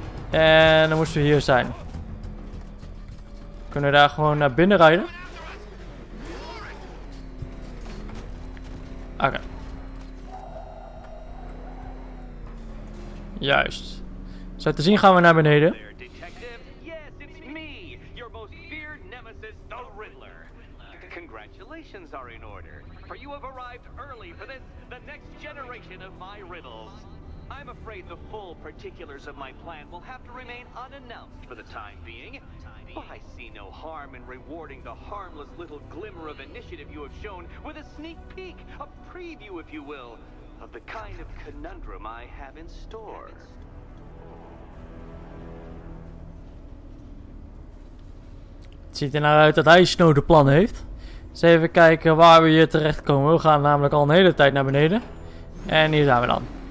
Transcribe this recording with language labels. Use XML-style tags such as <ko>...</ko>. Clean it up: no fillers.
<nl>En dan moesten we hier zijn. Kunnen we daar gewoon naar binnen rijden? Oké. Okay. Juist. Zo te zien gaan we naar beneden.</nl> <en>Yes, it's me, your most feared nemesis, the Riddler. Congratulations are in order, for you have arrived early for this, the next generation of my riddles. I'm afraid the full particulars of my plan will have to remain unannounced for the time being. Well, I see no harm in rewarding the harmless little glimmer of initiative you have shown with a sneak peek, a preview, if you will, of the kind of conundrum I have in store.</en> <nl>Het ziet er nou uit dat hij Snow de plan heeft. Eens even kijken waar we hier terecht komen. We gaan namelijk al een hele tijd naar beneden. En hier zijn we dan.</nl>